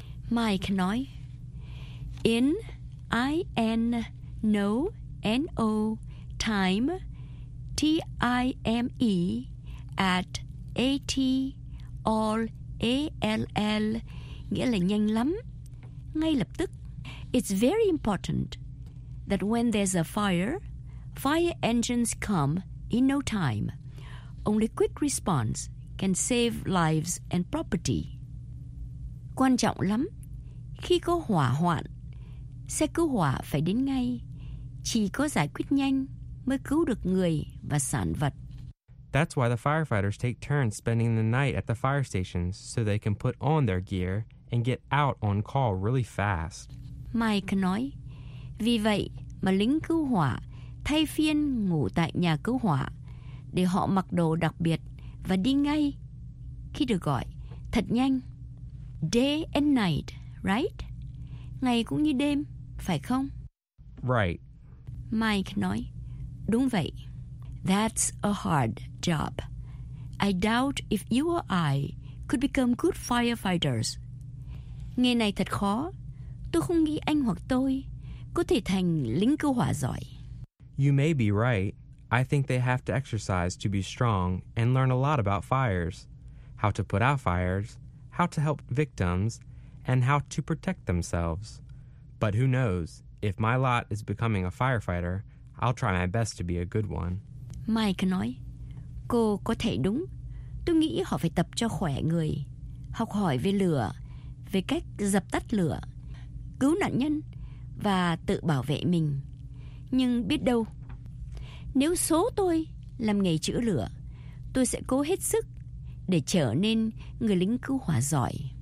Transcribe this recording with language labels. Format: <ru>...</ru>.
<vi>Mike nói,</vi> <en>in, I-N, no, N-O, time, T-I-M-E, at, A-T, all, A-L-L,</en> <vi>nghĩa là nhanh lắm, ngay lập tức.</vi> <en>It's very important that when there's a fire, fire engines come in no time. Only quick response can save lives and property.</en> <vi>Quan trọng lắm. Khi có hỏa hoạn, xe cứu hỏa phải đến ngay. Chỉ có giải quyết nhanh mới cứu được người và sản vật.</vi> <en>That's why the firefighters take turns spending the night at the fire stations so they can put on their gear and get out on call really fast.</en> <vi>Mike nói, vì vậy mà lính cứu hỏa thay phiên ngủ tại nhà cứu hỏa để họ mặc đồ đặc biệt và đi ngay khi được gọi, thật nhanh.</vi> <en>Day and night, right?</en> <vi>Ngày cũng như đêm, phải không?</vi> <en>Right.</en> <vi>Mike nói, đúng vậy.</vi> <en>That's a hard job. I doubt if you or I could become good firefighters.</en> <vi>Nghề này thật khó. Tôi không nghĩ anh hoặc tôi có thể thành lính cứu hỏa giỏi.</vi> <en>You may be right. I think they have to exercise to be strong and learn a lot about fires. How to put out fires, how to help victims, and how to protect themselves. But who knows, if my lot is becoming a firefighter, I'll try my best to be a good one.</en> <vi>Mike nói, cô có thể đúng. Tôi nghĩ họ phải tập cho khỏe người, học hỏi về lửa, về cách dập tắt lửa, cứu nạn nhân và tự bảo vệ mình. Nhưng biết đâu, nếu số tôi làm nghề chữa lửa, tôi sẽ cố hết sức để trở nên người lính cứu hỏa giỏi.</vi>